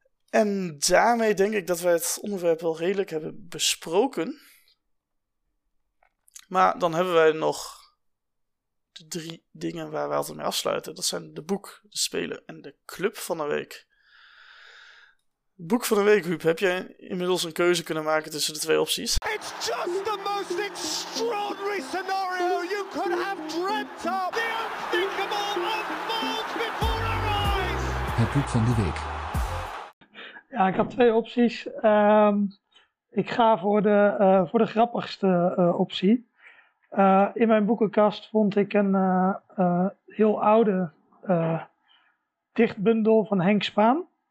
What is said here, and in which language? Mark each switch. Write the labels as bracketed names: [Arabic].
[Dutch] En daarmee denk ik dat wij het onderwerp wel redelijk hebben besproken. Maar dan hebben wij nog de drie dingen waar we altijd mee afsluiten. Dat zijn de boek, de speler en de club van de week. Boek van de week, Huub. Heb jij inmiddels een keuze kunnen maken tussen de twee opties? [English] It's just the most extraordinary scenario you could have dreamt of. The unthinkable unfolds before our eyes. [Dutch] Het boek van de week. Ja, ik had twee opties. Ik ga voor de grappigste optie. In mijn boekenkast vond ik een heel oude dichtbundel van Henk Spaan.